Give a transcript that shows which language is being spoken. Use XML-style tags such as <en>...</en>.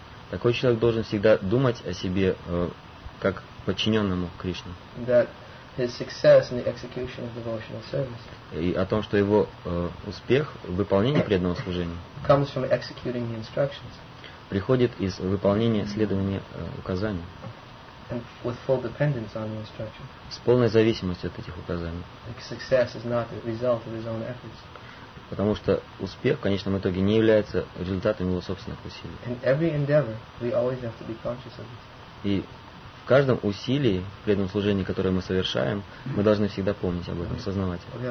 <ru>Такой человек должен всегда думать о себе как подчиненному Кришне.</ru> <en>His success in the execution of devotional service.</en> <ru>И о том, что его успех в выполнении преданного служения.</ru> <en>Comes from executing the instructions.</en> <ru>Приходит из выполнения следования указаний.</ru> <en>And with full dependence on the instructions.</en> <ru>С полной зависимостью от этих указаний.</ru> <en>Like success is not the result of his own efforts.</en> <ru>Потому что успех в конечном итоге не является результатом его собственных усилий.</ru> <en>In every endeavor, we always have to be conscious of this.</en> <ru>И в каждом усилии, в преданном служении, которое мы совершаем, мы должны всегда помнить об этом, осознавать.</ru>